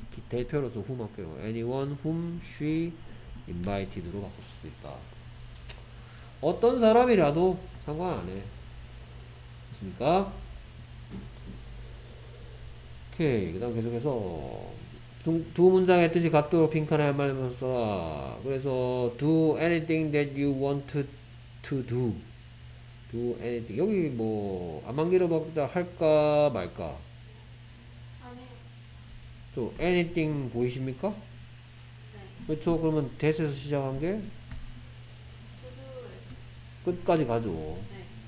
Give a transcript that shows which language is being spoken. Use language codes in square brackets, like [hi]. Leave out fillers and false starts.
[ko] 대표로서 whom 할게요. [en] anyone whom she invited [ko] 로 바꿀 수 있다. 어떤 사람이라도 상관 안 해. 됐습니까? 오케이. 그 다음 계속해서 두 문장의 뜻이 같도록 빈칸에 한 말을 써라. 그래서 [en] do anything that you want to do. do anything. [ko] 여기 뭐 안만 길어봤자 할까 말까? 아니 또 anything 보이십니까? 네. 그렇죠. 그러면 that에서 시작한 게 끝까지 가죠. 네.